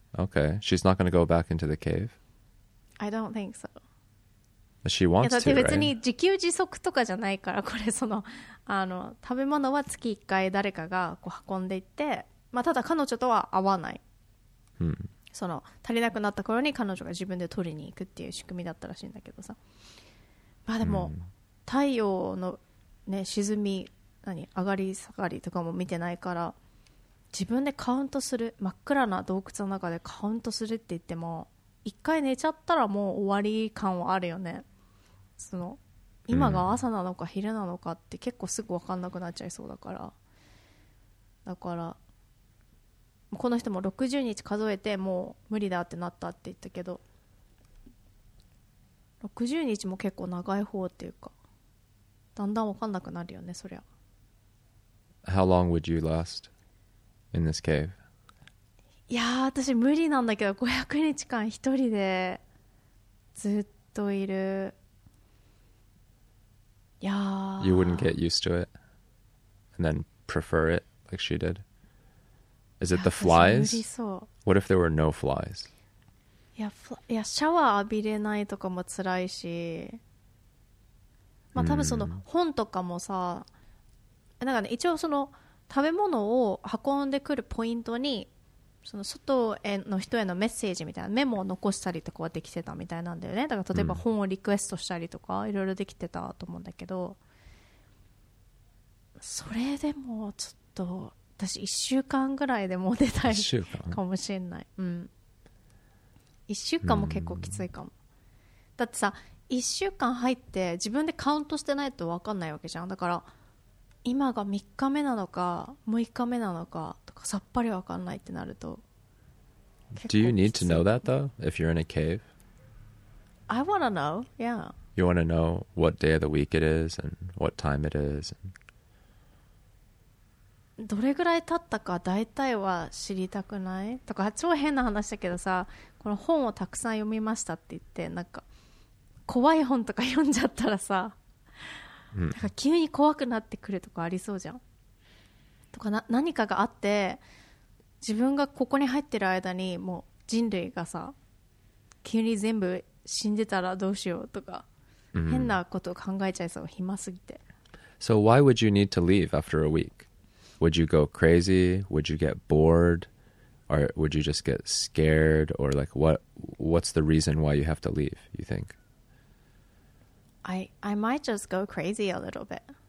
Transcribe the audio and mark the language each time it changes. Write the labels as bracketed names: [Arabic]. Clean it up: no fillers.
[English] Okay, she's not going to go back into the cave. I don't think so. She wants to. [Japanese] いやだって別に自給自足とかじゃないから、これその食べ物は月1回誰かがこう運んでいって、まあただ彼女とは会わない。 Hmm. その足りなくなった頃に彼女が自分で取りに行くっていう仕組みだったらしいんだけどさ。まあでも、hmm. 太陽のね沈み何上がり下がりとかも見てないから、自分でカウントする、真っ暗な洞窟の中でカウントするって言っても、一回寝ちゃったらもう終わり感はあるよね。その今が朝なのか昼なのかって結構すぐ分かんなくなっちゃいそうだから、だからこの人も60日数えてもう無理だってなったって言ったけど、60日も結構長い方っていうか、だんだん分かんなくなるよねそりゃ。 [English] How long would you last in this cave? [Japanese] いやー私無理なんだけど、500日間一人でずっといる。いやー [English] You wouldn't get used to it and then prefer it like she did? Is it the flies? [Japanese] 無理そう。 [English] What if there were no flies? [Japanese] いやシャワー浴びれないとかも辛いし、まあ多分その本とかもさ、なんかね、一応その食べ物を運んでくるポイントにその外への人へのメッセージみたいなメモを残したりとかはできてたみたいなんだよね。だから例えば本をリクエストしたりとかいろいろできてたと思うんだけど、それでもちょっと私1週間ぐらいでも出たい週間かもしれない、うん、1週間も結構きついかも。だってさ1週間入って自分でカウントしてないと分かんないわけじゃん。だから今が3日目なのか6日目なのかとかさっぱり分かんないってなると、 [English] Do you need to know that though? If you're in a cave? I wanna know, yeah. You wanna know what day of the week it is and what time it is? [Japanese] どれぐらい経ったか大体は知りたくないとか、超変な話だけどさ、この本をたくさん読みましたって言って、なんか怖い本とか読んじゃったらさ、なんか急に怖くなってくるとかありそうじゃん。とかな、何かがあって自分がここに入ってる間にもう人類がさ急に全部死んでたらどうしようとか、mm-hmm. 変なことを考えちゃいそう、暇すぎて。 [English] So why would you need to leave after a week? Would you go crazy? Would you get bored? Or would you just get scared? Or like what's the reason why you have to leave, you think? I might just go crazy a little bit.